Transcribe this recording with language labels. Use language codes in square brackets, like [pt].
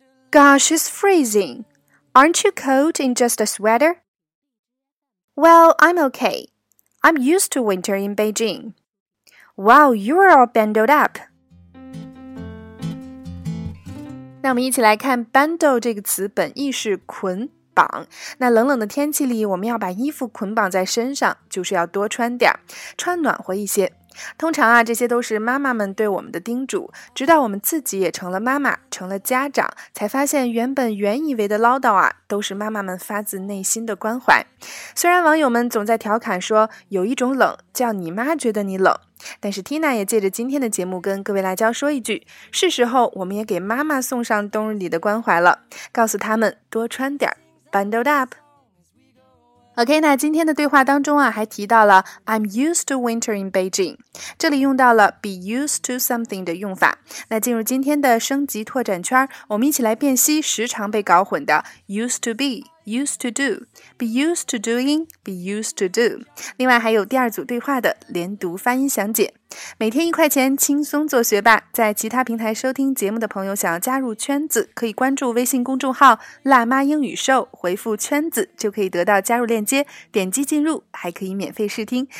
[en] Gosh, it's freezing. Aren't you cold in just a sweater? Well, I'm okay. I'm used to winter in Beijing. Wow, you're all bundled up. [zh] 那我们一起来看 bundle 这个词本意是捆绑。那冷冷的天气里我们要把衣服捆绑在身上，就是要多穿点，穿暖和一些。通常啊，这些都是妈妈们对我们的叮嘱，直到我们自己也成了妈妈，成了家长，才发现原本原以为的唠叨啊，都是妈妈们发自内心的关怀。虽然网友们总在调侃说，有一种冷，叫你妈觉得你冷，但是 Tina 也借着今天的节目跟各位辣椒说一句，是时候我们也给妈妈送上冬日里的关怀了，告诉他们多穿点 , [en] bundled up。 [zh] OK, 那今天的对话当中啊还提到了 [en] I'm used to winter in Beijing, [zh] 这里用到了 [en] be used to something [zh] 的用法。那进入今天的升级拓展圈，我们一起来辨析时常被搞混的 [en] used to be, used to do, be used to doing, be used to do。 [zh] 另外还有第二组对话的连读发音详解。每天一块钱轻松做学霸，在其他平台收听节目的朋友想要加入圈子，可以关注微信公众号辣妈英语秀，回复圈子就可以得到加入链接，点击进入还可以免费试听。